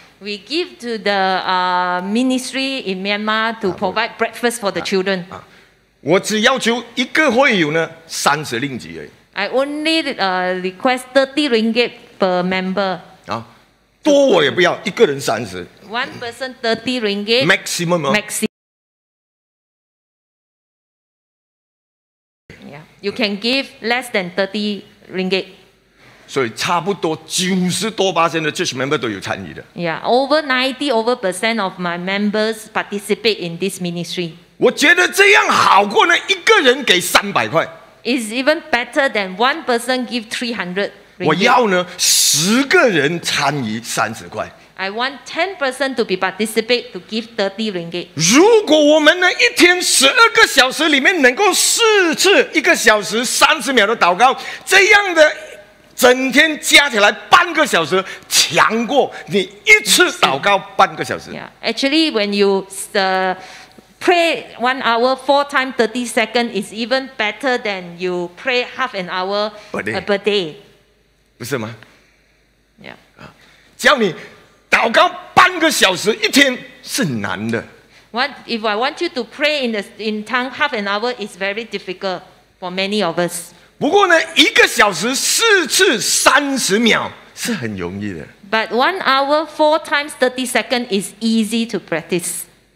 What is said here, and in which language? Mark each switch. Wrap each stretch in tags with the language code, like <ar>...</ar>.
<en>We give to the ministry in Myanmar to provide breakfast for the children.</en> <zh>我只要求一个会友呢30令吉而已。</zh> <en>I only request 30 ringgit per member.</en> <zh>多我也不要，一个人30。</zh> <en>One person 30 ringgit. Maximum. Maximum. You can give less than 30 ringgit.</en> <zh>所以差不多90多%的 church member 都有参与的。</zh> <en>Yeah, over 90% of my members participate in this ministry.</en> <zh>我觉得这样好过呢，一个人给300块。</zh> <en>It's even better than one person give 300 ringgit.</en> <zh>我要呢，10个人参与30块。</zh> <en>I want 10% to be participate to give 30 ringgit.</en> <zh>如果我们呢一天12个小时里面能够4次一个小时30秒的祷告，这样的整天加起来半个小时，强过你一次祷告半个小时。</zh> <en>Yeah. Actually, when you pray 1 hour 4 times 30 seconds, is even better than you pray half an hour per day.</en> <zh>不是吗</zh> <en>？Yeah.</en> <zh>叫你。祷告半个小时一天是难的。</zh> <en>What if I want you to pray in tongue half an hour? It's very difficult for many of us.</en> <zh>不过呢，一个小时4次30秒是很容易的。</zh> <en>But 1 hour 4 times 30 seconds is easy to practice.</en>